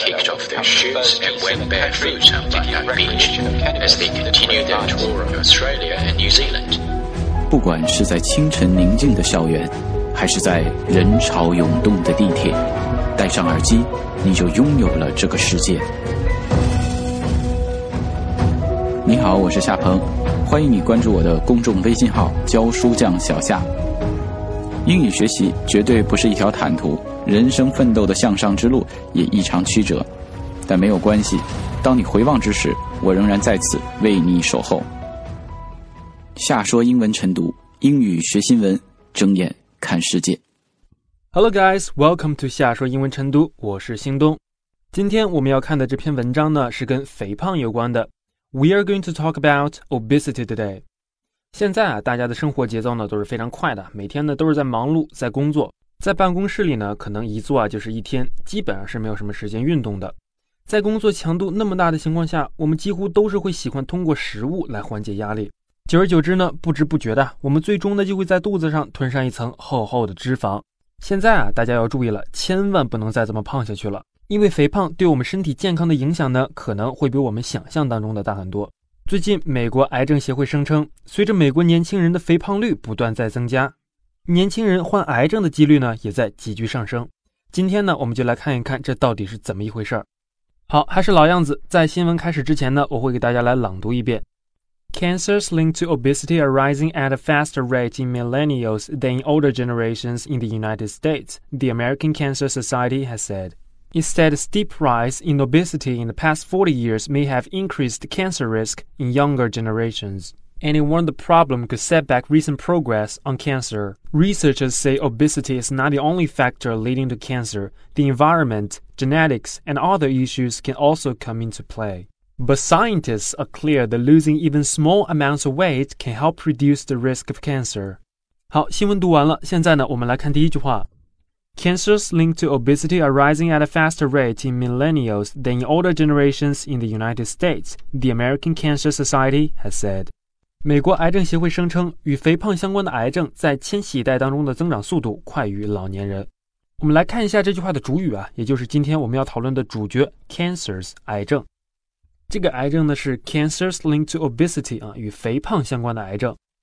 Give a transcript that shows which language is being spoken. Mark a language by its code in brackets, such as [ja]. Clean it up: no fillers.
[en] kicked off their shoots and went barefoot on Bundang Beach as they continued their tour of Australia and New Zealand. [zh] 不管是在清晨宁静的校园，还是在人潮涌动的地铁，戴上耳机，你就拥有了这个世界。你好，我是夏鹏，欢迎你关注我的公众微信号教书匠小夏。英语学习绝对不是一条坦途，人生奋斗的向上之路也异常曲折，但没有关系，当你回望之时，我仍然在此为你守候。夏说英文晨读，英语学新闻，睁眼看世界。 [en] Hello guys, welcome to [zh] 夏说英文晨读，我是星东。今天我们要看的这篇文章呢，是跟肥胖有关的。 [en] We are going to talk about obesity today. [zh] 现在啊，大家的生活节奏呢都是非常快的，每天呢都是在忙碌，在工作，在办公室里呢可能一坐啊就是一天，基本上是没有什么时间运动的。在工作强度那么大的情况下，我们几乎都是会喜欢通过食物来缓解压力。久而久之呢，不知不觉的，我们最终呢就会在肚子上吞上一层厚厚的脂肪。现在啊，大家要注意了，千万不能再这么胖下去了。因为肥胖对我们身体健康的影响呢，可能会比我们想象当中的大很多。最近美国癌症协会声称，随着美国年轻人的肥胖率不断在增加，年轻人患癌症的几率呢也在急剧上升。今天呢，我们就来看一看这到底是怎么一回事。好，还是老样子，在新闻开始之前呢，我会给大家来朗读一遍。 [en] Cancers linked to obesity are rising at a faster rate in millennials than in older generations in the United States, the American Cancer Society has said. Instead, a steep rise in obesity in the past 40 years may have increased cancer risk in younger generations. And it warned the problem could set back recent progress on cancer. Researchers say obesity is not the only factor leading to cancer. The environment, genetics, and other issues can also come into play. But scientists are clear that losing even small amounts of weight can help reduce the risk of cancer. [zh] 好，新闻读完了，现在呢，我们来看第一句话。 [en] Cancers linked to obesity are rising at a faster rate in millennials than in older generations in the United States, the American Cancer Society has said. [zh] 美国癌症协会声称，与肥胖相关的癌症在千禧一代当中的增长速度快于老年人。我们来看一下这句话的主语啊，也就是今天我们要讨论的主角 cancers 癌症。这个癌症呢是 [en] cancers linked to obesity [zh] 啊，与肥胖相关的癌症。